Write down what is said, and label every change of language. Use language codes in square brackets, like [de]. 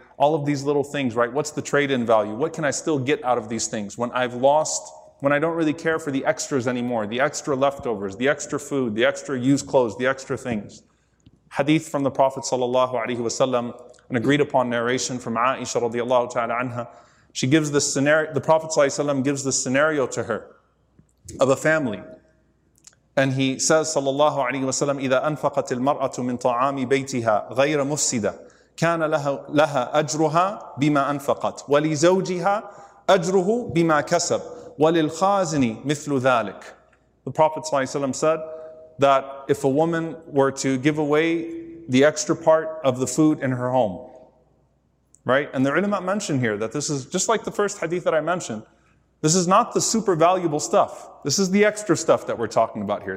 [en] All of these little things, right? What's the trade-in value? What can I still get out of these things when I've lost, when I don't really care for the extras anymore, the extra leftovers, the extra food, the extra used clothes, the extra things? Hadith from the Prophet sallallahu alaihi wasallam, an agreed upon narration from Aisha radiallahu ta'ala anha. She gives this scenario, the Prophet sallallahu alaihi wasallam gives this scenario to her of a family. And he says, [ar] sallallahu alaihi wasallam, إذا أنفقت المرأة من طعام بيتها غير مفسدة كان لها أجرها بما أنفقت ولزوجها أجره بما كسب وللخازن مثل ذلك. [en] The Prophet sallallahu alaihi wasallam said that if a woman were to give away the extra part of the food in her home, right? And the ulama mentioned here that this is just like the first hadith that I mentioned. This is not the super valuable stuff. This is the extra stuff that we're talking about here.